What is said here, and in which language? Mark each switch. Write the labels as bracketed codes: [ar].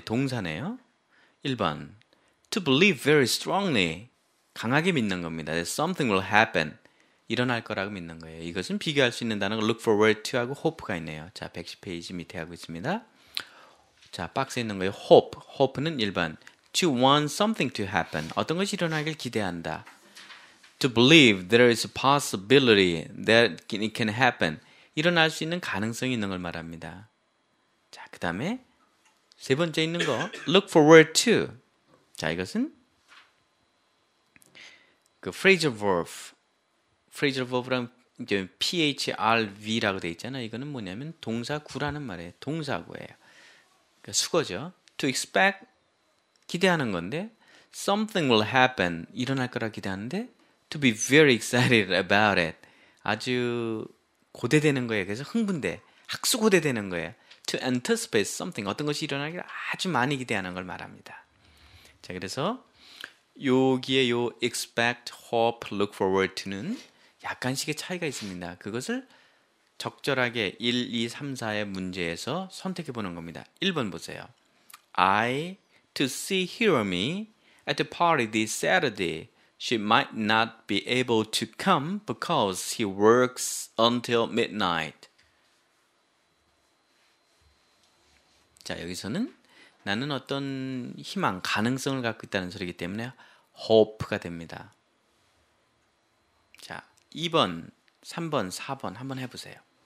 [ko] 동사네요. 1번 [en] to believe very strongly [ko] 강하게 믿는 겁니다. [en] That something will happen. [ko] 일어날 거라고 믿는 거예요. 이것은 비교할 수 있는 단어가 look forward to하고 hope가 있네요. 자, 110페이지 밑에 하고 있습니다. 자, 박스에 있는 거예요. hope는 1번 [en] To want something to happen. [ko] 어떤 것이 일어나길 기대한다. [en] To believe there is a possibility that it can happen. [ko] 일어날 수 있는 가능성이 있는 걸 말합니다. 자, 그 다음에 세 번째 있는 거. [en] Look forward to. [ko] 자, 이것은 그 [en] phrasal verb. [ko] phrasal verb랑 이제 PHRV라고 돼 있잖아. 이거는 뭐냐면 동사구라는 말이에요. 동사구예요. 그러니까 수거죠. [en] To expect, [ko] 기대하는 건데 [en] something will happen, [ko] 일어날 거라 기대하는데 [en] to be very excited about it, [ko] 아주 고대되는 거예요. 그래서 흥분돼, 학수고대되는 거예요. [en] To anticipate something, [ko] 어떤 것이 일어나길 아주 많이 기대하는 걸 말합니다. 자, 그래서 여기에 요 expect, hope, look forward to는 약간씩의 차이가 있습니다. 그것을 적절하게 1, 2, 3, 4의 문제에서 선택해 보는 겁니다. 1번 보세요. [en] I to see Hiromi at the party this Saturday. She might not be able to come because he works until midnight. [ko] 자, 여기서는 나는 어떤 희망, 가능성을 갖고 있다는 소리이기 때문에 hope가 됩니다. 자, 2번, 3번, 4번 한번 해보세요.